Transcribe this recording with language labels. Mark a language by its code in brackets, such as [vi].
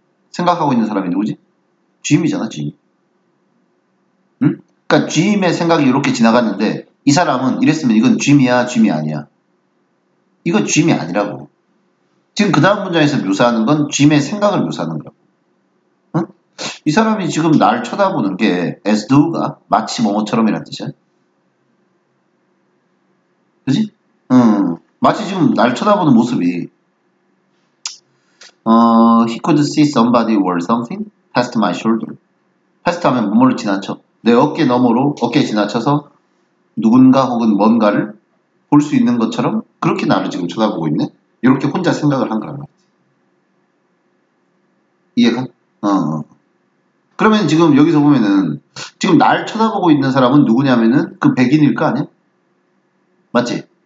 [ko] 생각하고 있는 사람이 누구지? 짐이잖아 짐. 응? 그러니까 짐의 생각이 이렇게 지나갔는데 이 사람은 이랬으면 이건 짐이야 짐이 아니야. 이거 짐이 아니라고. 지금 그 다음 문장에서 묘사하는 건 짐의 생각을 묘사하는 거야. 이 사람이 지금 날 쳐다보는 게 as do가 마치 뭐뭐처럼이란 뜻이야. 그지? [en] 마치 지금 날 쳐다보는 모습이 he could see somebody or something past my shoulder. [ko] past 하면 뭐뭐를 지나쳐. 내 어깨 너머로 어깨 지나쳐서 누군가 혹은 뭔가를 볼 수 있는 것처럼 그렇게 나를 지금 쳐다보고 있네. 이렇게 혼자 생각을 한 거란 말이지. 이해가? 그러면 지금 여기서 보면은 지금 날 쳐다보고 있는 사람은 누구냐면은 그 백인일 거 아니야? 맞지?